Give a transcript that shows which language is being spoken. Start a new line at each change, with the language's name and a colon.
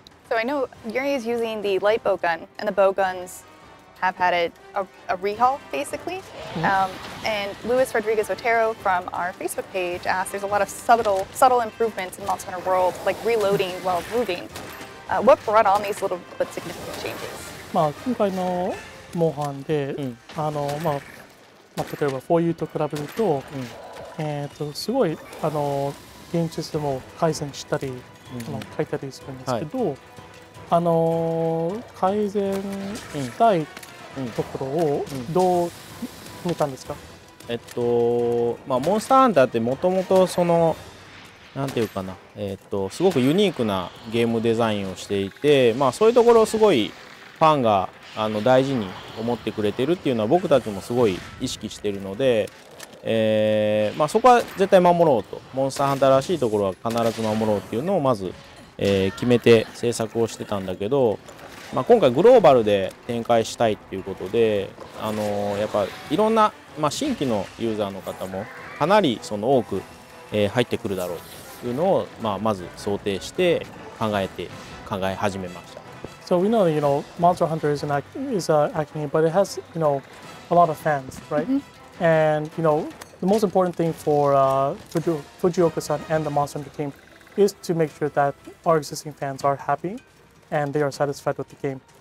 English: So I know Yuri is using the light bow gun and the bow guns have had a rehaul, basically. Mm-hmm. And Luis Rodriguez Otero from our Facebook page asked, there's a lot of subtle improvements in Monster Hunter World, like reloading while moving. What brought on these little but significant changes?
Japanese: まあ、今回のモンハンで、うん例えば 4U と比べると、うんすごいゲームシステムを改善したり、うん、書いたりするんですけど、はい改善したいところをどう決めたんですか、うんうんうん、まあ、モンスターハンターってもともとそのなんていうかな、すごくユニークなゲームデザインをしていて、まあ、そういうところをすごいファンが大事に思ってくれてるっていうのは僕たちもすごい意識してるので、まあ、そこは絶対守ろうとモンスターハンターらしいところは必ず守ろうっていうのをまず、決めて制作をしてたんだけど、まあ、今回グローバルで展開したいっていうことで、やっぱいろんな、まあ、新規のユーザーの方もかなりその多く、入ってくるだろうというのを、まあ、まず想定して考え始めました。
English: So we know that, you know, Monster Hunter is an acne, but it has, you know, a lot of fans, right? Mm-hmm. And, you know, the most important thing for Fujioka-san and the Monster Hunter team is to make sure that our existing fans are happy and they are satisfied with the game.